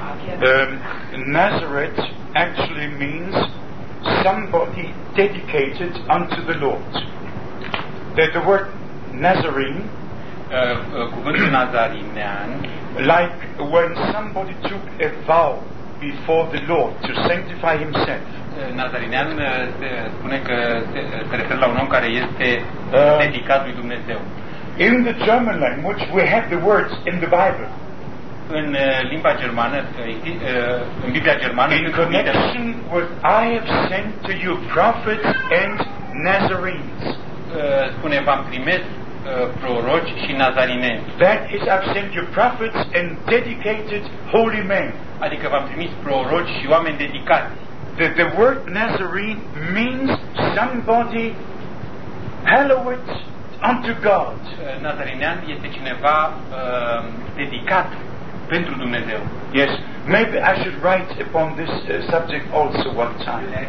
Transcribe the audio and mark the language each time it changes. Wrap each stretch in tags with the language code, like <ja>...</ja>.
<en>Nazareth actually means somebody dedicated unto the Lord. That the word Nazarene,</en> <ro>cuvântul Nazarinean,</ro> <en>like when somebody took a vow before the Lord to sanctify himself.</en> <ro>Nazarinean se spune că se referă la un om care este dedicat lui Dumnezeu.</ro> <en>In the German language we have the words in the Bible.</en> <ro>în limba germană, în Biblia germană,</ro> <en>in connection with I have sent to you prophets and Nazarenes.</en> <ro>Spune, v-am trimis proroci și nazarineni.</ro> <en>That is, I've sent you prophets and dedicated holy men.</en> <ro>Adică v-am trimis proroci și oameni dedicați.</ro> <en>The word Nazarene means somebody hallowed unto God.</en> <ro>Nazarenean este cineva dedicat pentru Dumnezeu.</ro> <en>Yes, maybe I should write upon this subject also one time.</en>